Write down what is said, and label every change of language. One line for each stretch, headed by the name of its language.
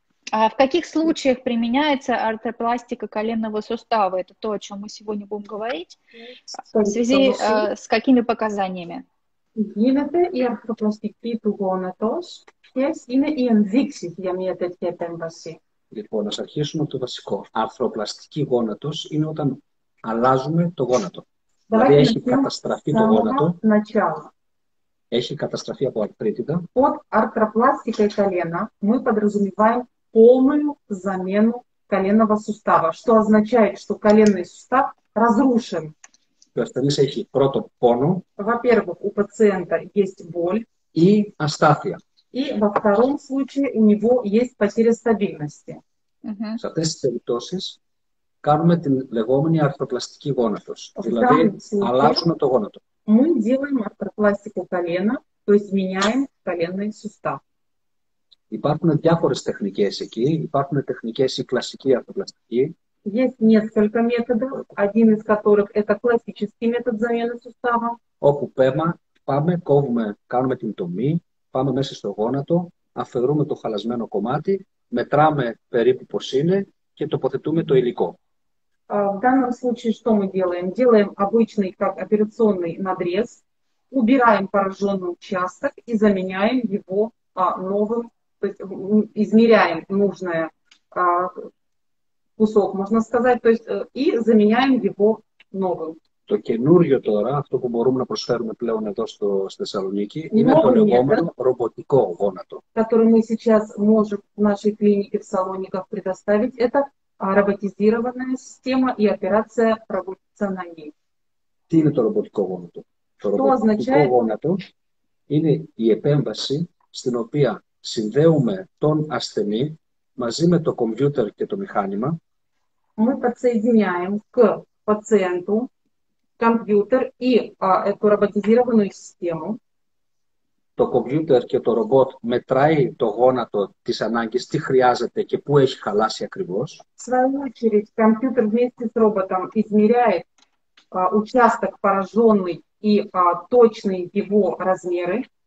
Russian: В каких случаях применяется артропластика коленного сустава? Это то, о чем мы сегодня будем говорить. В связи с какими показаниями?
Greek: Γίνεται η αρθροπλαστική του γόνατος και είναι οι ενδείξεις για μια τέτοια επέμβαση. Λοιπόν, ας αρχίσουμε από το βασικό. Αρθροπλαστική γόνατος είναι όταν αλλάζουμε το γόνατο. Δηλαδή έχει καταστραφεί το γόνατο. Έχει καταστραφεί από αρθρίτιδα.
Russian: Под αρθροπλαστικά колена мы подразумеваем полную замену коленного сустава, что означает, что коленный сустав разрушен.
Greek: Ο ασθενής έχει πρώτο πόνο.
Russian: Во-первых, у пациента есть боль.
Greek: И астафия.
Russian: И во втором случае у него есть потеря стабильности.
Greek: Σε αυτές τις περιπτώσεις κάνουμε την λεγόμενη αρθροπλαστική γόνατος. Δηλαδή, αλλάζουμε το γόνατο.
Russian: Мы делаем артропластику колена, то есть меняем коленный сустав.
Greek: Υπάρχουν διάφορες τεχνικές εκεί. Υπάρχουν τεχνικές οι κλασικοί αρθροπλαστικοί.
Russian: Есть несколько методов, один из которых это классический метод замены сустава.
Greek: Όπου πάμε, κόβουμε, κάνουμε την τομή, πάμε μέσα στο γόνατο, αφαιρούμε το χαλασμένο κομμάτι, μετράμε περίπου πώς είναι και τοποθετούμε το υλικό.
Russian: В данном случае что мы делаем? Делаем обычный как операционный надрез, убираем пораженный участок и заменяем его новым, то есть измеряем нужное кусок, можно сказать, то есть и заменяем его новым.
Greek: Το καινούριο τώρα, αυτό που μπορούμε να προσφέρουμε πλέον εδώ στο Θεσσαλονίκη, είναι το λεγόμενο ρομποτικό γόνατο.
Russian: Который мы сейчас можем в нашей клинике в Салониках предоставить, это роботизированная система и операция проводится на ней.
Greek: Τι είναι το ρομποτικό γόνατο? Το ρομποτικό γόνατο είναι η επέμβαση στην οποία συνδέουμε τον ασθενή μαζί με το κομπιούτερ και το μηχάνημα.
Russian: Мы подсоединяем к пациенту компьютер и эту роботизированную систему.
Greek: Το κομπιούτερ και το ρομπότ μετράει το γόνατο της ανάγκης, τι χρειάζεται και πού έχει χαλάσει ακριβώς.
Russian: В свою очередь, компьютер вместе с роботом измеряет участок пораженный и точные его размеры.